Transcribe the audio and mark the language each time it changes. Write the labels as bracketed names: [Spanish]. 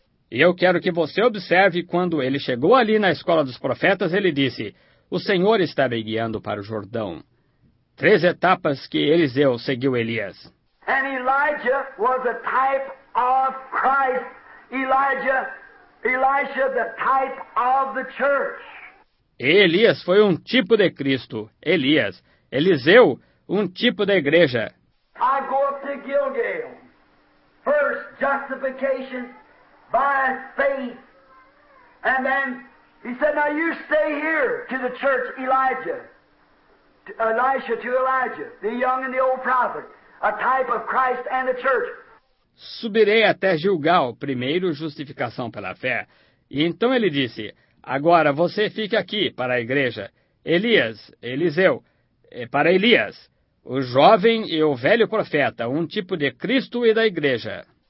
[Portuguese] E eu quero que você observe quando ele chegou ali na escola dos profetas, ele disse, o Senhor está me guiando para o Jordão. Três etapas que Eliseu seguiu Elias. [English] E Elijah was a type of Christ. Elijah, the type of the church. [Portuguese] Elias foi um tipo de Cristo. Elias, Eliseu, um tipo da igreja. [English] I go up to Gilgal. First, justification by faith. And then, he said, now you stay here to the church, Elijah. Elisha to Elijah, the young and the old prophet. A type of Christ and the church. [Portuguese] Subirei até Gilgal, primeiro justificação pela fé. E então ele disse, Agora, você fica aqui para a igreja. Eliseu, para Elias, o jovem e o velho profeta, um tipo de Cristo e da igreja.